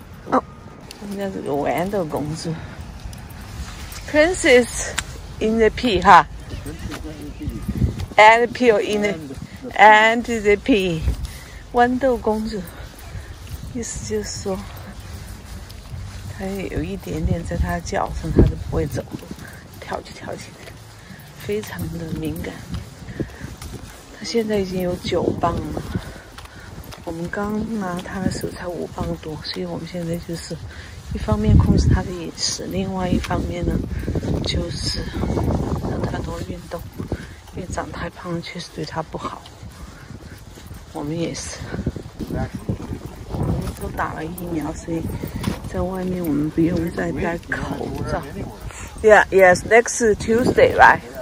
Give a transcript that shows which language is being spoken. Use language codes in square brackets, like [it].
[zh] Oh, 人家这个豌豆公主 [en] Princess in the pee, [zh] huh? [en] And the pee in the. And the pee， [zh] 豌豆公主，意思就是说，她有一点点在她脚上，她都不会走，跳就跳起来，非常的敏感。她现在已经有九磅了，我们刚拿她的时候才五磅多，所以我们现在就是一方面控制她的饮食，另外一方面呢，就是让她多运动，因为长太胖确实对她不好。我们也是，我们都打了疫苗，所以在外面我们不用再戴口罩。 [en] Yeah, yes, next Tuesday, right?